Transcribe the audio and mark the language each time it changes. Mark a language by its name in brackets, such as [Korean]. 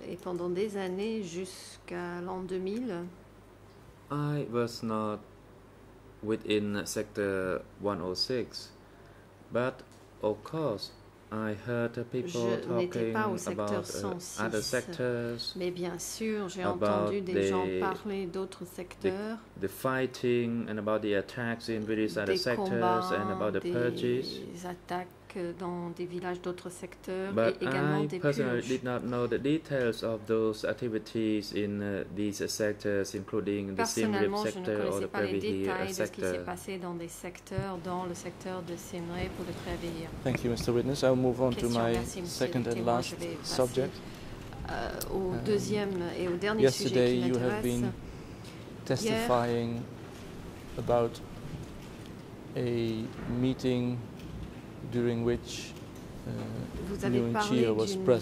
[French] et pendant des années jusqu'à l'an 2000, [English] I was not within Sector 106, but of course, I heard people talking about other sectors, [French] mais bien sûr, j'ai entendu des gens parler d'autres secteurs, [English] the fighting and about the attacks in various other sectors and about the purges. [French] Des attaques dans des villages d'autres secteurs et également des purges. [English] But I personally did not know the details of those activities in these sectors, including the Siem Reap sector or the Prebihir sector. [French] Personnellement, je ne connaissais pas les détails de ce qui s'est passé dans les secteurs, dans le secteur de Siem [English] Reap. Thank you, Mr. Witness. I'll move on to my second and last subject. [French] Au deuxième et au dernier [English] yesterday [French] sujet qui [English] you have been testifying about a meeting during which Nunchia was